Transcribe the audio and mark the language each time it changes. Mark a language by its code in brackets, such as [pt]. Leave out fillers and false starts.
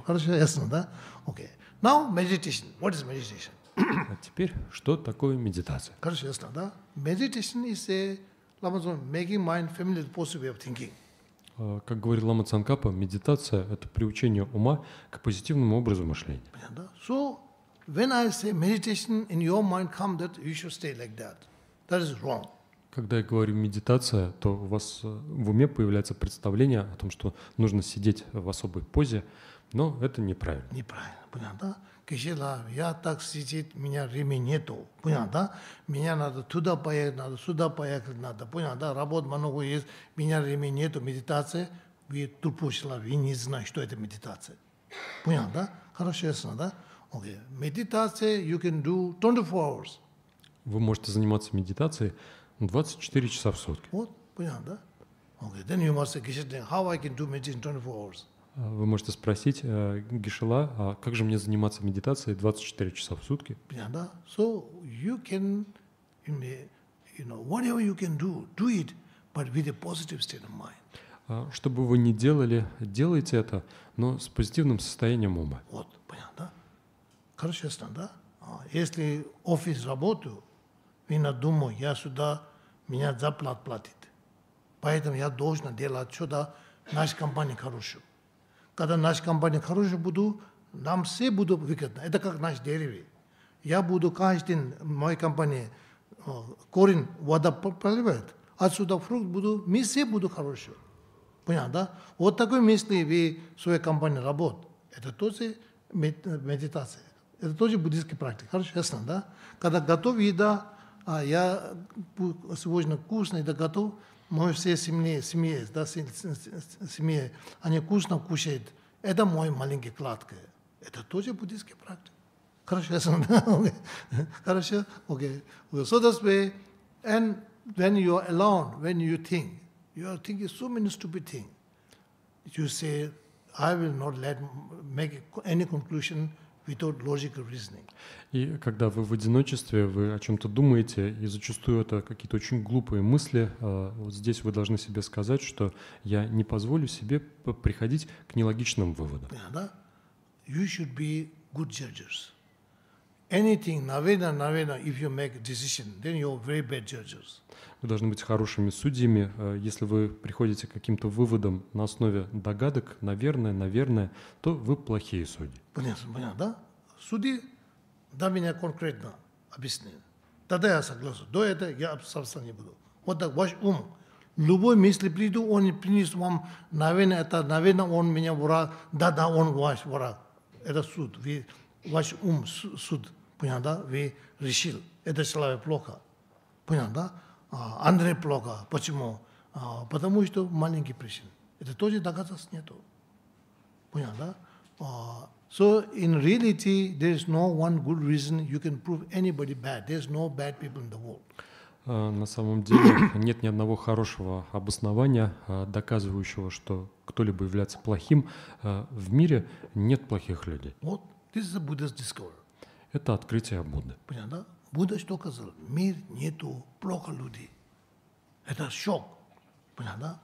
[ru] Хорошо, ясно, да? Окей. [en] Now meditation. What is meditation? [ru] А теперь, что такое медитация? Хорошо, ясно, да? [en] Meditation is a Lama Tsongkhapa making mind familiar with positive way of thinking. [ru] Как говорит Лама Цанкапа, медитация – это приучение ума к позитивному образу мышления. Понятно, да? [en] So, when I say meditation, in your mind come that you should stay like that. That is wrong. [ru] Когда я говорю медитация, то у вас в уме появляется представление о том, что нужно сидеть в особой позе, но это неправильно. Неправильно, понятно, да? Кишила, я так сидеть, у меня времени нету, понятно, да? Меня надо туда поехать, надо сюда поехать, надо, понятно, да? Работ много есть, у меня времени нету, медитация. Вы тупой человек, вы не знаете, что это медитация. Понятно, да? Хорошо, ясно, да? Окей. Медитация [en] you can do 24 hours. [ru] Вы можете заниматься медитацией 24 часа в сутки. Вот, понятно, да? [en] Okay, then you must say, Geshe-la, how I can do meditation 24 hours? [ru] Вы можете спросить, Geshe-la, а как же мне заниматься медитацией 24 часа в сутки? Понятно, да? [en] So, you can, you know, whatever you can do, do it, but with a positive state of mind. [ru] Что бы вы ни делали, делайте это, но с позитивным состоянием ума. Вот, понятно, да? Хорошо, ясно, да? Если офис работаю, я думаю, я сюда, меня зарплату платит. Поэтому я должен делать сюда нашу компанию хорошую. Когда наша компания хорошая будет, нам все будут выгодно. Это как наш дерево. Я буду каждый день в моей компании корень вода поливать. Отсюда фрукт буду, мы все будут хорошие. Понятно, да? Вот такой мысли вы в своей компании работаете. Это тоже медитация. Это тоже буддийская практика. Хорошо, ясно, да? Когда готов еда, а я сегодня вкусно, это готов. Мои все семьи, они вкусно кушают. Это мой маленький кладка. Это тоже буддийский практик. Хорошо, ясно, да? Хорошо, окей. [en] So that's way. And when you are alone, when you are thinking so many stupid things. You say, I will not let make any conclusion without logical reasoning. [ru] И когда вы в одиночестве, вы о чем-то думаете, и зачастую это какие-то очень глупые мысли, вот здесь вы должны себе сказать, что я не позволю себе приходить к нелогичным выводам. [en] Yeah, да? You should be good judges. Anything, наверное, if you make a decision, then you are very bad judges. [ru] Вы должны быть хорошими судьями. Если вы приходите к каким-то выводам на основе догадок, наверное, то вы плохие судьи. Понятно, да? Судьи, да, меня конкретно объяснили. Тогда я согласен. До этого я абсолютно не буду. Вот так, ваш ум. Любой мысли приду, он принес вам, наверное, это, наверное, он меня враг. Да, он ваш враг. Это суд. Ваш ум, суд, понятно, да? Вы решил, это человек плохо. Понятно, да? Андрей плохо. Почему? Потому что маленький причин. Это тоже доказательств нету. Понял, да? [en] So in reality, there is no one good reason you can prove anybody bad. There is no bad people in the world. [ru] На самом деле нет ни одного хорошего обоснования, доказывающего, что кто-либо является плохим. В мире нет плохих людей. [en] Вот, this is a Buddhist discovery. [ru] Это открытие Будды. Понятно? Будда что сказал? Мир нету плохо людей. Это шок. Понятно?